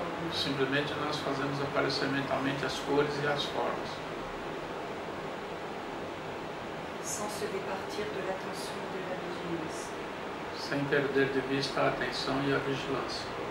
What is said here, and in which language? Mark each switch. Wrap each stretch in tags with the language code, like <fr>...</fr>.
<pt>Simplesmente nós fazemos aparecer mentalmente as cores e as formas.</pt> <fr>Sans se départir de l'attention de la vigilance.</fr> <pt>Sem perder de vista a atenção e a vigilância.</pt>